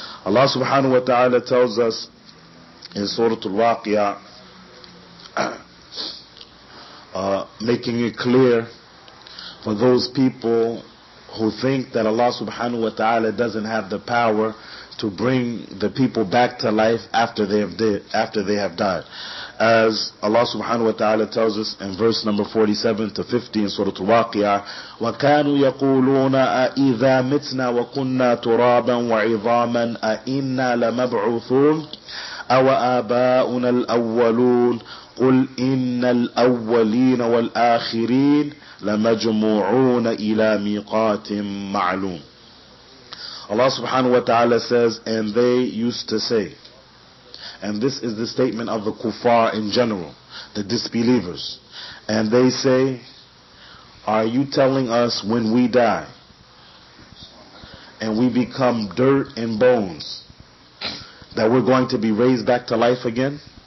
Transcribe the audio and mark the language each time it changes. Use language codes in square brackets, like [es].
[en] Allah subhanahu wa ta'ala tells us in Surah Al-Waqi'ah, making it clear for those people who think that Allah subhanahu wa ta'ala doesn't have the power to bring the people back to life after they have died. As Allah subhanahu wa ta'ala tells us in verse number 47-50 in Surah Al-Waqi'ah, [ar] وَكَانُوا يَقُولُونَ أَإِذَا مِتْنَا وَكُنَّا تُرَابًا وَعِظَامًا أَإِنَّا لَمَبْعُثُونَ أَوَآبَاؤُنَا الْأَوَّلُونَ قُلْ إِنَّ الْأَوَّلِينَ وَالْآخِرِينَ لَمَجْمُعُونَ إِلَى مِيقَاتٍ مَعْلُومٍ. [en] Allah subhanahu wa ta'ala says, and they used to say, and this is the statement of the kuffar in general, the disbelievers, and they say, are you telling us when we die and we become dirt and bones that we're going to be raised back to life again?